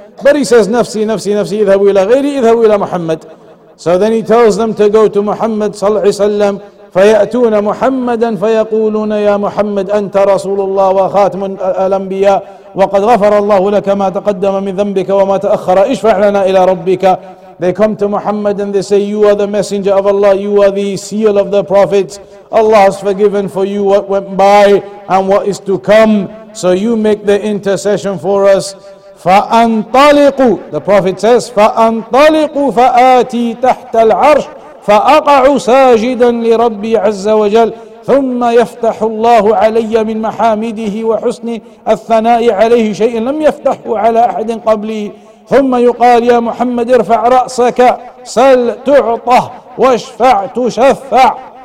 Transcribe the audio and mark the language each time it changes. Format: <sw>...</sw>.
<en>But he says,</en> <ar>نفسي نفسي نفسي إذهب إلى غيري إذهب إلى محمد.</ar> <en>So then he tells them to go to Muhammad صلى الله عليه وسلم.</en> <ar>فيأتون محمدا فيقولون يا محمد أنت رسول الله وخاتم الأنبياء وقد غفر الله لك ما تقدم من ذنبك وما تأخر اشفع لنا إلى ربك.</ar> <en>They come to Muhammad and they say, you are the messenger of Allah, you are the seal of the prophets, Allah has forgiven for you what went by and what is to come, so you make the intercession for us.</en> <ar>فأنطلقوا,</ar> <en>the prophet says,</en> <ar>فأنطلقوا فآتي تحت العرش فَأَقَعُ سَاجِدًا لِرَبِّي عَزَّ وَجَلْ ثُمَّ يَفْتَحُ اللَّهُ عَلَيَّ مِنْ مَحَامِدِهِ وَحُسْنِ الثَّنَاءِ عَلَيْهِ شَيْءٍ لَمْ يَفْتَحُ عَلَى أَحَدٍ قَبْلِي ثُمَّ يُقَالْ يَا مُحَمَّدِ ارْفَعْ رَأْسَكَ سَلْ تُعْطَهُ وَاشْفَعْ تُشَفَّعْ</ar>